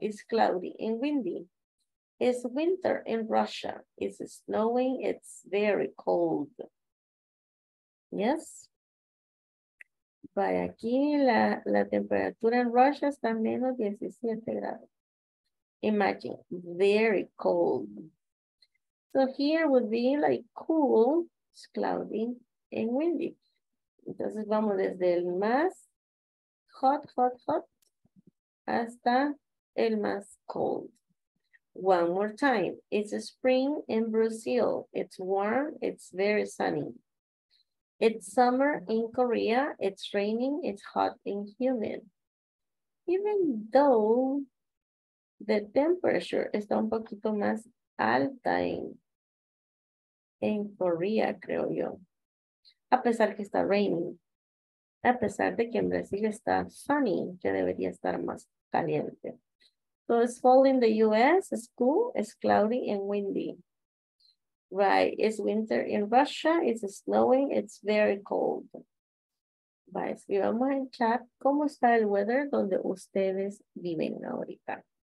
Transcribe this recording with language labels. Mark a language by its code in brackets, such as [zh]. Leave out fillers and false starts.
[en] It's cloudy and windy. It's winter in Russia. It's snowing. It's very cold. Yes? [es] By aquí, la temperatura en Russia está menos 17 grados. [en] Imagine, very cold. So here would be like cool, it's cloudy and windy. [es] Entonces vamos desde el más [en] hot, hot, hot, [es] hasta el más cold. [en] One more time. It's a spring in Brazil. It's warm, it's very sunny. It's summer in Korea. It's raining. It's hot and humid. Even though the temperature [es] está un poquito más alta en Korea, creo yo. A pesar que está raining. A pesar de que en Brasil está sunny, que debería estar más caliente. [en] So it's fall in the US, it's cool, it's cloudy and windy. Right, it's winter in Russia, it's snowing, it's very cold. [es] Va, escribamos en chat cómo está el weather donde ustedes viven ahorita.